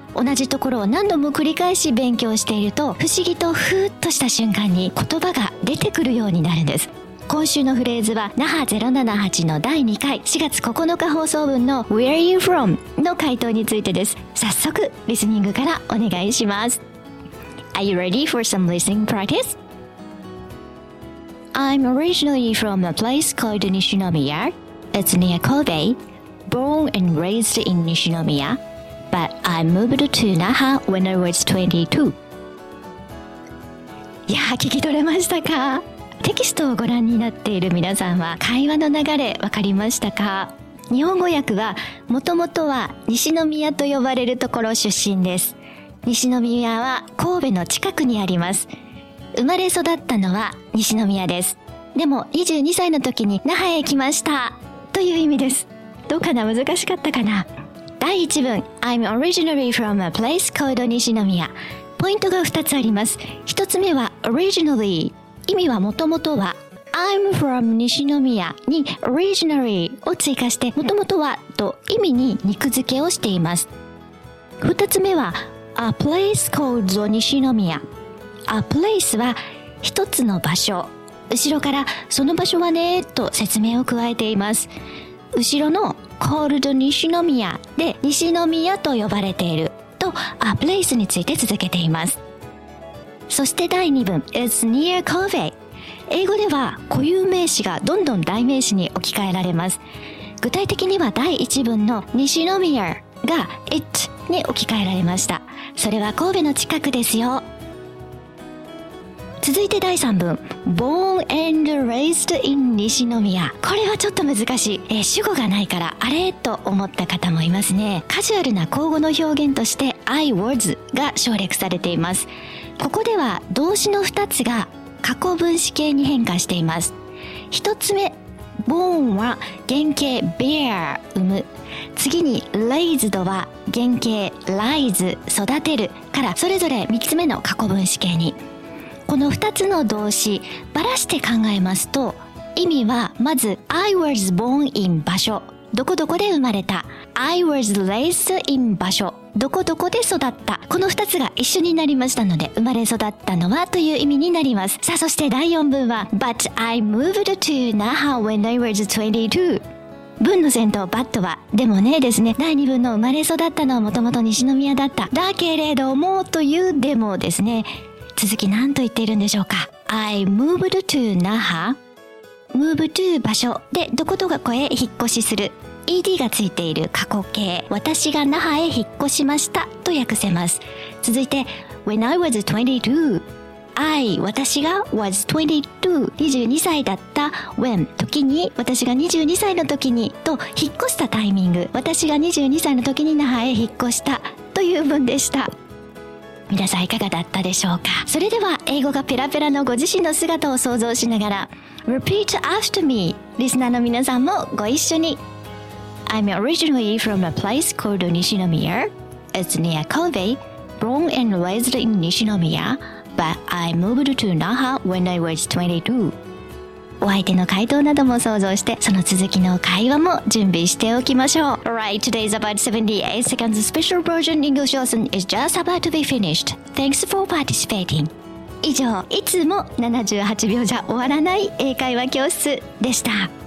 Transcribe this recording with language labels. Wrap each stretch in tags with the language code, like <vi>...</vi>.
<ja>同じところを何度も繰り返し勉強していると不思議とふーっとした瞬間に言葉が出てくるようになるんです。今週のフレーズは那覇078の第2回4月9日放送分の</ja> <en>Where are you from?</en> <ja>の回答についてです。早速リスニングからお願いします。</ja> <en>Are you ready for some listening practice? I'm originally from a place called Nishinomiya. It's near Kobe. Born and raised in Nishinomiya. But I moved to Naha when I was 22.</en> <ja>いやー、聞き取れましたか？テキストをご覧になっている皆さんは会話の流れ分かりましたか？日本語訳は、もともとは Nishinomiya と呼ばれるところ出身です。 Nishinomiya は神戸の近くにあります。生まれ育ったのは西宮です。でも22歳の時に那覇へ来ましたという意味です。どうかな、難しかったかな。</ja> <en>第1文 I'm originally from a place called 西宮。</en> <ja>ポイントが2つあります。1つ目は originally 意味はもともとは I'm from 西宮に originally を追加してもともとはと意味に肉付けをしています。</ja> <en>2つ目は a place called 西宮。</en> <ja>A place は一つの場所、後ろからその場所はねと説明を加えています。後ろの called 西宮で西宮と呼ばれていると A place について続けています。</ja> <en>そして第2文 It's near Kobe。</en> <ja>英語では固有名詞がどんどん代名詞に置き換えられます。具体的には第1文の西宮が It に置き換えられました。それは神戸の近くですよ。</ja> <en>続いて第3文 Born and raised in 西宮。</en> <ja>これはちょっと難しい。主語がないからあれと思った方もいますね。カジュアルな口語の表現として I was が省略されています。ここでは動詞の2つが過去分詞形に変化しています。 1つ目、 Born は原型 bear 産む、次に raised は原型 rise 育てるから、それぞれ3つ目の過去分詞形に。この2つの動詞バラして考えますと、意味はまず</ja> <en>I was born in</en> <ja>場所、どこどこで生まれた、</ja> <en>I was raised in</en> <ja>場所、どこどこで育った、この2つが一緒になりましたので生まれ育ったのはという意味になります。</ja> <en>さあそして第4文は But I moved to Naha when I was 22。</en> <ja>文の先頭 but はでもねですね、第2文の生まれ育ったのはもともと西宮だった、だけれどもというでもですね。続き何と言っているんでしょうか。</ja> <en>I moved to Naha。 move to</en> <ja>場所でどこどこへ引っ越しする、 ed がついている過去形、私が那覇へ引っ越しましたと訳せます。続いて</ja> <en>when I was 22、</en> <ja>I 私が was 22、 22歳だった、 when 時に、私が22歳の時にと引っ越したタイミング、私が22歳の時に那覇へ引っ越したという文でした。皆さんいかがだったでしょうか。それでは英語がペラペラのご自身の姿を想像しながら</ja> <en>Repeat after me。</en> <ja>リスナーの皆さんもご一緒に。</ja> <en>I'm originally from a place called 西宮。 It's near Kobe. Born and raised in 西宮。 But I moved to Naha when I was 22。</en> <ja>お相手の回答なども想像して、その続きの会話も準備しておきましょう。</ja> <en>Alright, today's about 78 seconds special version English lesson is just about to be finished. Thanks for participating.</en> <ja>以上、いつも78秒じゃ終わらない英会話教室でした。</ja>